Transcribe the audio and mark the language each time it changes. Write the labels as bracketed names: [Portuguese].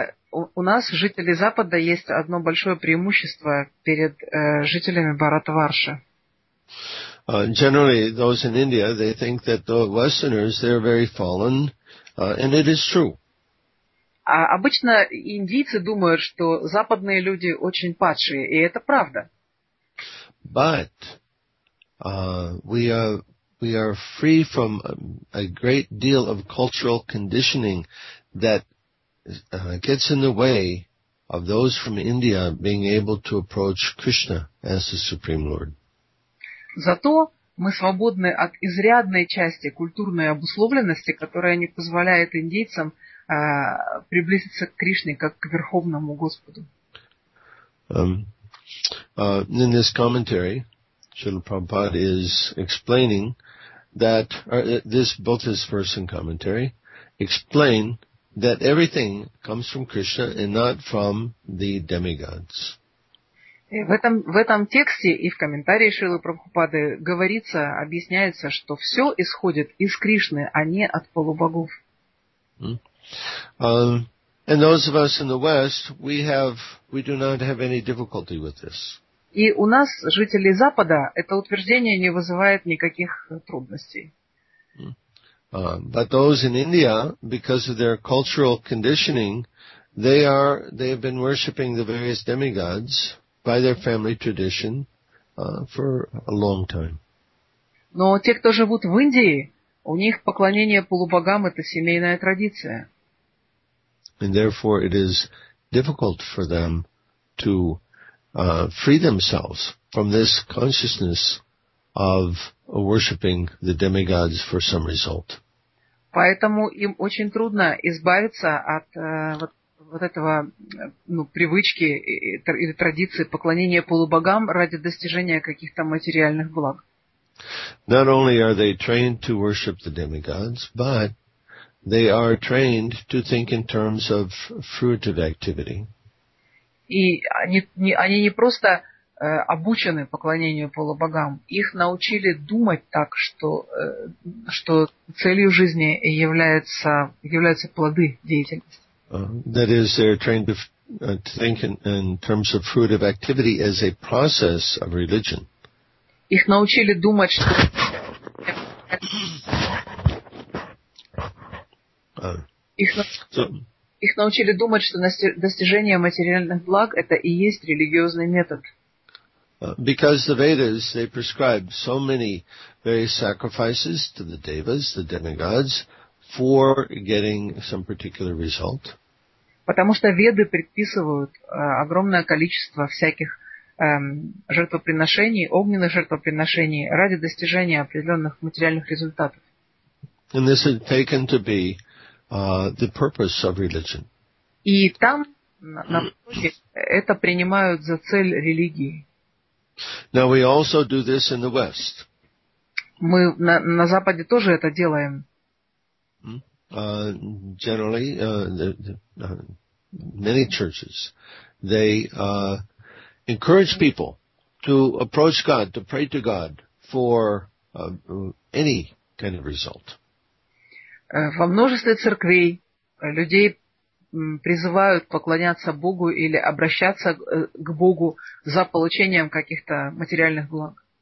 [Russian] У нас, жители Запада, есть одно большое преимущество перед жителями Бхаратварши. [English] Generally, those in India, they think that the Westerners, they're very fallen, and it is true. [Russian] Обычно индийцы думают, что западные люди очень падшие, и это правда. [English] But we are free from a great deal of cultural conditioning that gets in the way of those from India being able to approach Krishna as the Supreme Lord. [Russian] Зато мы свободны от изрядной части культурной обусловленности, которая не позволяет индейцам приблизиться к Кришне как к Верховному Господу. [English] In this commentary, Srila Prabhupada is explaining that this both his first and commentary explain that everything comes from Krishna and not from the demigods. [Russian] В этом тексте и в комментарии Шрилы Прабхупады говорится, объясняется, что все исходит из Кришны, а не от полубогов. [English] And those of us in the West, we do not have any difficulty with this. [Russian] И у нас, жителей Запада, это утверждение не вызывает никаких трудностей. [English] But those in India, because of their cultural conditioning, they have been worshipping the various demigods by their family tradition for a long time. [Russian] Но те, кто живут в Индии, у них поклонение полубогам – это семейная традиция. [English] And therefore it is difficult for them to free themselves from this consciousness of worshipping the demigods for some result. [Russian] Поэтому им очень трудно избавиться от вот этого привычки или традиции поклонения полубогам ради достижения каких-то материальных благ. [English] Not only are they trained to worship the demigods, but they are trained to think in terms of fruitive activity. [Russian] И они не просто обучены поклонению полубогам, их научили думать так, что целью жизни являются плоды деятельности. [English] That is, they are trained to think in terms of fruitive activity as a process of religion. [Russian] Их научили думать, что их научили думать, что достижение материальных благ это и есть религиозный метод. [English] Because the Vedas they prescribe so many various sacrifices to the devas, the demigods, for getting some particular result. [Russian] Потому что Веды предписывают огромное количество всяких жертвоприношений, огненных жертвоприношений ради достижения определенных материальных результатов. [English] And this is taken to be the purpose of religion. [Russian] И там на Востоке это принимают за цель религии. [English] Now we also do this in the West. [Russian] Мы на Западе тоже это делаем. [English] Generally, many churches they encourage people to approach God, to pray to God for any kind of result. [Russian] Во множестве церквей людей призывают поклоняться Богу или обращаться к Богу за получением каких-то материальных благ.